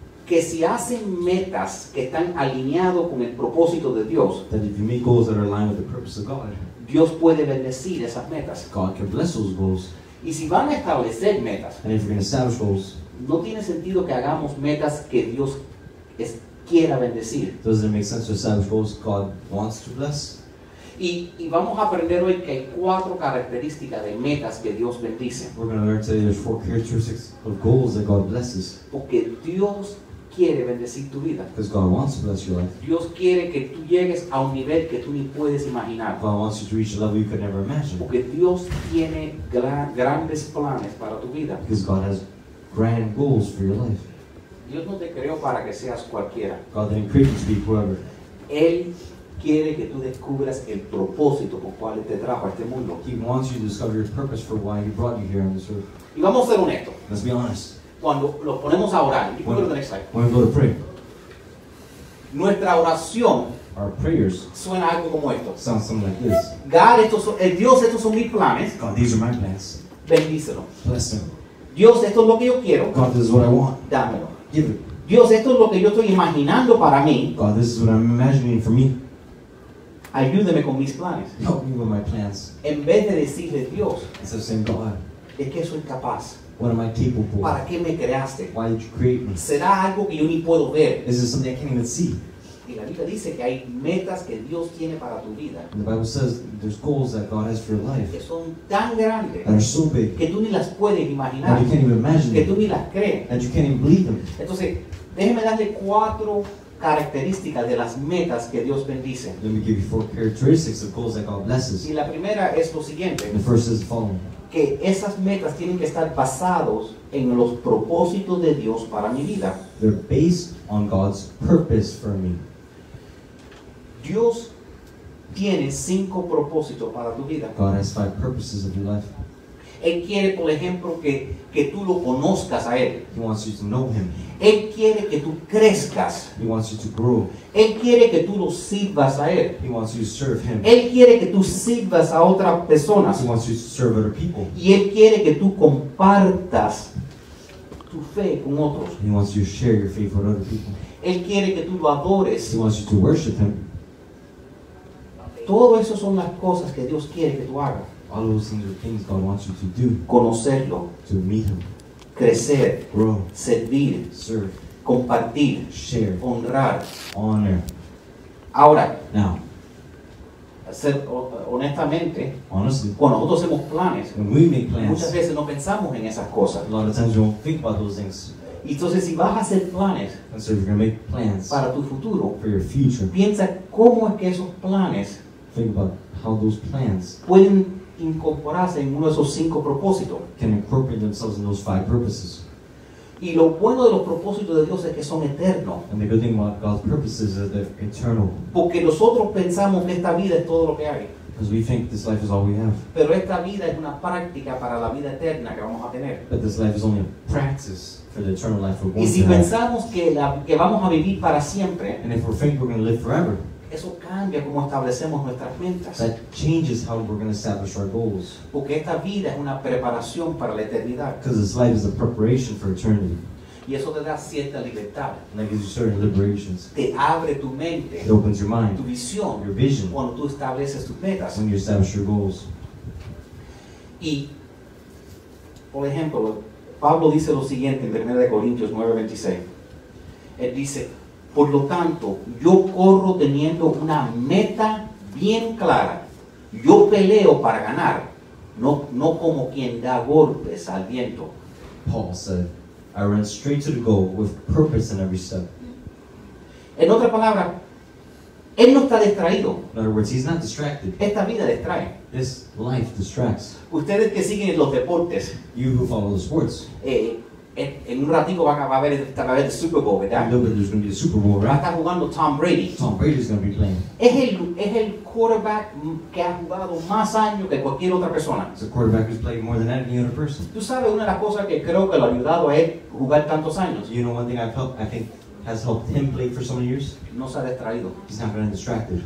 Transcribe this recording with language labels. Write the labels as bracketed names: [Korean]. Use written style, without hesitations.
[Spanish] Que si hacen metas que están alineado con el propósito de Dios, [English] that if you make goals that are aligned with the purpose of God, [Spanish] Dios puede bendecir esas metas. [English] God can bless those goals. [Spanish] Y si van a establecer metas, [English] and if we're going to establish goals, [Spanish] no tiene sentido que hagamos metas que Dios quiera bendecir. [English] Does it make sense to establish goals God wants to bless? [Spanish] Y vamos a aprender hoy que hay cuatro características de metas que Dios bendice. [English] We're going to learn today there's four characteristics of goals that God blesses. [Spanish] Porque Dios quiere bendecir tu vida. [English] Because God wants to bless your life. [Spanish] Dios quiere que tú llegues a un nivel que tú ni puedes imaginar. [English] God wants you to reach a level you could never imagine. [Spanish] Porque Dios tiene grandes planes para tu vida. [English] Because God has grand goals for your life. [Spanish] Dios no te creó para que seas cualquiera. [English] God didn't create you to be whoever. [Spanish] Él quiere que tú descubras el propósito por cual te trajo a este mundo. [English] He wants you to discover your purpose for why he brought you here on this earth. [Spanish] Y vamos a ser honestos. [English] Let's be honest. [Spanish] Cuando lo ponemos a orar, [English] when we go to pray, [Spanish] nuestra oración, [English] our prayers, [Spanish] suena algo como esto. [English] Sounds something like this. [Spanish] God, estos son mis planes. [English] God, these are my plans. [Spanish] Bendícelo. [English] Bless them. [Spanish] Dios, esto es lo que yo quiero. [English] God, this is what I want. [Spanish] Dámelo. [English] Give it. [Spanish] Dios, esto es lo que yo estoy imaginando para mí. [English] God, this is what I'm imagining for me. [Spanish] Ayúdeme con mis planes. [English] Help me with my plans. [Spanish] En vez de decirle Dios, [English] instead of saying God, [Spanish] es que soy capaz. [English] What am I capable for? [Spanish] ¿Para qué me creaste? [English] Why did you create me? [Spanish] ¿Será algo que yo ni puedo ver? [English] Is it something I can't even see? [Spanish] Y la Biblia dice que hay metas que Dios tiene para tu vida. [English] And the Bible says there's goals that God has for your life. [Spanish] Que son tan grandes. [English] That are so big. [Spanish] Que tú ni las puedes imaginar. [English] That you can't even imagine. [Spanish] Que tú ni las crees. [English] That you can't even believe them. [Spanish] Entonces, déjeme darle cuatro características de las metas que Dios bendice. [English] Let me give you four characteristics of goals that God blesses. [Spanish] Y la primera es lo siguiente. [English] The first is the following. [Spanish] Que esas metas tienen que estar basados en los propósitos de Dios para mi vida. [English] They're based on God's purpose for me. [Spanish] Dios tiene cinco propósitos para tu vida. [English] God has five purposes of your life. [Spanish] Él quiere, por ejemplo, que tú lo conozcas a Él. [English] He wants you to know Him. [Spanish] Él quiere que tú crezcas. [English] He wants you to grow. [Spanish] Él quiere que tú lo sirvas a Él. [English] He wants you to serve Him. [Spanish] Él quiere que tú sirvas a otras personas. [English] He wants you to serve other people. [Spanish] Y Él quiere que tú compartas tu fe con otros. [English] He wants you to share your faith with other people. [Spanish] Él quiere que tú lo adores. [English] He wants you to worship Him. [Spanish] Todo eso son las cosas que Dios quiere que tú hagas. [English] All those things are things God wants you to do. [Spanish] Conocerlo. [English] To meet Him. [Spanish] Crecer. [English] Grow. [Spanish] Servir. [English] Serve. [Spanish] Compartir. [English] Share. [Spanish] Honrar. [English] Honor. [Spanish] Ahora. [English] Now. [Spanish] Ser honestamente. [English] Honestly. [Spanish] Cuando nosotros hacemos planes, [English] when we make plans, [Spanish] muchas veces no pensamos en esas cosas. [English] A lot of times we don't think about those things. [Spanish] Entonces, si vas a hacer planes, [English] so you're gonna make plans [Spanish] para tu futuro, [English] for your future, [Spanish] piensa cómo es que esos planes, [English] think about how those plans [Spanish] pueden incorporarse en uno de esos cinco propósitos. [English] Can incorporate themselves in those five purposes. [Spanish] Y lo bueno de los propósitos de Dios es que son eternos. [English] And the good thing about God's purposes is that they're eternal. [Spanish] Porque nosotros pensamos que esta vida es todo lo que hay. [English] Because we think this life is all we have. [Spanish] Pero esta vida es una práctica para la vida eterna que vamos a tener. [English] But this life is only a practice for the eternal life we're going to have. [Spanish] Y si pensamos que vamos a vivir para siempre, [English] and if we're thinking we're going to live forever, [Spanish] eso cambia cómo establecemos nuestras metas. [English] That changes how we're going to establish our goals. [Spanish] Porque esta vida es una preparación para la eternidad. [English] Because this life is a preparation for eternity. [Spanish] Y eso te da cierta libertad. [English] And that gives you certain liberations. [Spanish] Te abre tu mente. [English] It opens your mind. [Spanish] Tu visión. [English] Your vision. [Spanish] Cuando tú estableces tus metas. [English] When you establish your goals. [Spanish] Y, por ejemplo, Pablo dice lo siguiente en 1 Corintios 9:26. Él dice, por lo tanto, yo corro teniendo una meta bien clara. Yo peleo para ganar, no como quien da golpes al viento. [English] Paul said, I run straight to the goal with purpose in every step. [Spanish] En otra palabra, él no está distraído. [English] In other words, he's not distracted. [Spanish] Esta vida distrae. [English] This life distracts. [Spanish] Ustedes que siguen los deportes, [English] you who follow the sports, [Spanish] en un ratito va a haber el Super Bowl, ¿verdad? [English] No, but there's going to be a Super Bowl, right? [Spanish] Está jugando Tom Brady. [English] Tom Brady's going to be playing. [Spanish] Es el quarterback que ha jugado más años que cualquier otra persona. [English] It's a quarterback who's played more than any other person. [Spanish] ¿Tú sabes una de las cosas que creo que lo ha ayudado a él jugar tantos años? [English] You know one thing I think has helped him play for so many years? [Spanish] No se ha distraído. [English] He's not been distracted.